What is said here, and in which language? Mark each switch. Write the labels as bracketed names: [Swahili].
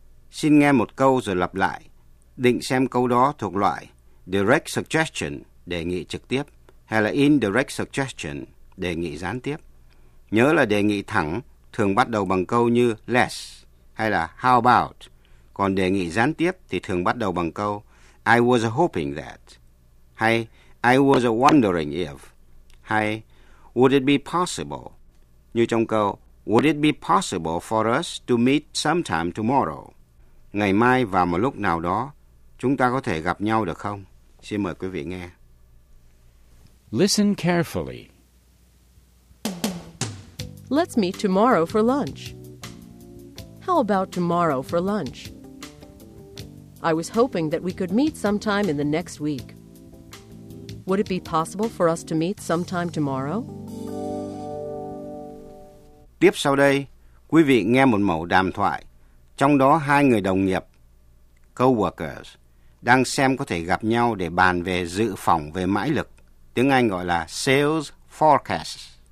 [Vietnamese] Xin nghe một câu rồi lặp lại. Định xem câu đó thuộc loại direct suggestion, đề nghị trực tiếp, hay là indirect suggestion, đề nghị gián tiếp. Nhớ là đề nghị thẳng thường bắt đầu bằng câu như less hay là how about. Còn đề nghị gián tiếp thì thường bắt đầu bằng câu [English] I was hoping that, hay I was wondering if, hay would it be possible, [Vietnamese] như trong câu [English] would it be possible for us to meet sometime tomorrow. [Vietnamese] Ngày mai và một lúc nào đó, chúng ta có thể gặp nhau được không? Xin mời quý vị nghe. [English] Listen carefully. Let's meet tomorrow for lunch. How about tomorrow for lunch? I was hoping that we could meet sometime in the next week. Would it be possible for us to meet sometime tomorrow? [Vietnamese] Tiếp sau đây, quý vị nghe một mẫu đàm thoại. Trong đó hai người đồng nghiệp, co-workers, đang xem có thể gặp nhau để bàn về dự phòng về mãi lực, tiếng Anh gọi là sales forecast.